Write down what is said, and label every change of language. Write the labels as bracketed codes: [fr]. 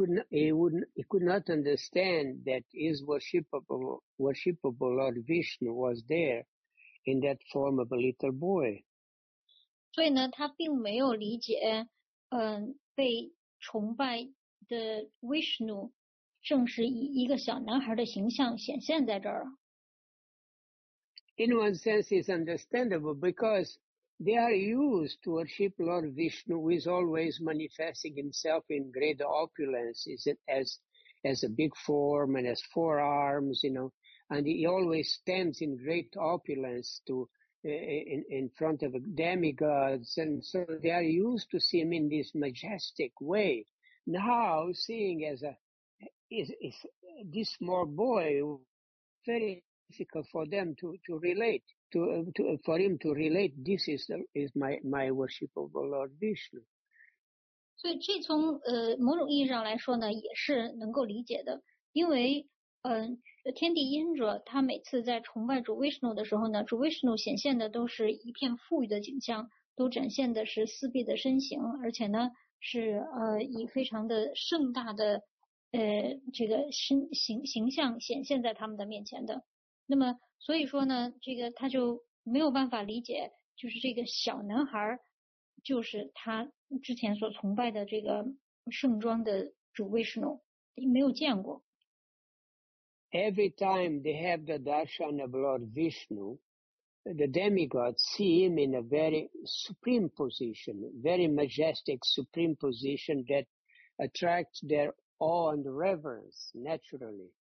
[en] He could not understand that his worshipable Lord Vishnu was there in that form of a little boy. [zh] 所以呢，他并没有理解，被崇拜的 Vishnu 正是以一个小男孩的形象显现在这儿。 [en] In one sense, it's understandable because they are used to worship Lord Vishnu, who is always manifesting himself in great opulence, as a big form and as four arms, you know, and he always stands in great opulence in front of demigods, and so they are used to see him in this majestic way. Now, seeing as this small boy, very difficult for them to relate, this is my worshipable Lord Vishnu. [zh] 所以这从某种意义上来说呢，也是能够理解的，因为天帝 Indra 他每次在崇拜主 Vishnu 的时候呢，主 Vishnu 显现的都是一片富裕的景象，都展现的是四臂的身形，而且呢是以非常的盛大的这个形象显现在他们的面前的。那么所以说呢，这个他就没有办法理解，就是这个小男孩就是他之前所崇拜的这个盛装的主 Vishnu 没有见过。 [en] Every time they have the darshan of Lord Vishnu, the demigods see him in a very supreme position, very majestic supreme position that attracts their awe and reverence naturally.